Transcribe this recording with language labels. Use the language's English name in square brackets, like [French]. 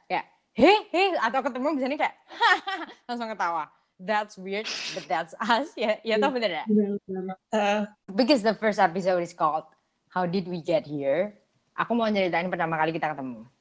[Indonesian] Kayak, hey, atau ketemu misalnya kayak langsung ketawa. [English] That's weird, but that's us. [Indonesian] Ya, tau bener ya? [English] Because the first episode is called How Did We Get Here? [Indonesian] Aku mau ceritain pertama kali kita ketemu.